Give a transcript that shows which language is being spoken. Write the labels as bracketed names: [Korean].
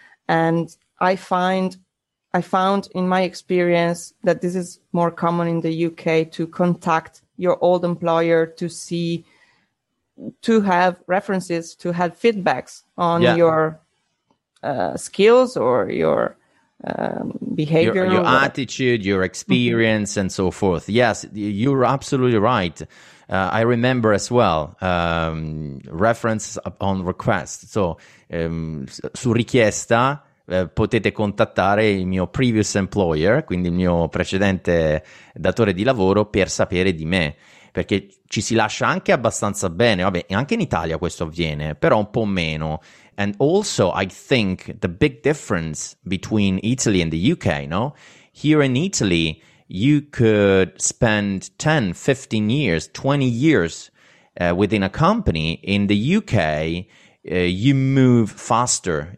[English] And I found in my experience that this is more common in the UK to contact your old employer to see, to have references, to have feedbacks on your skills or your behavior. Your attitude, your experience, mm-hmm. and so forth. Yes, you're absolutely right. I remember as well, reference on request. [Italian] So, su richiesta, potete contattare il mio [English] previous employer, [Italian] quindi il mio precedente datore di lavoro, per sapere di me. Perché ci si lascia anche abbastanza bene. Vabbè, anche in Italia questo avviene, però un po' meno. [English] And also, I think the big difference between Italy and the UK, no? Here in Italy, you could spend 10, 15 years, 20 years within a company. In the UK, you move faster.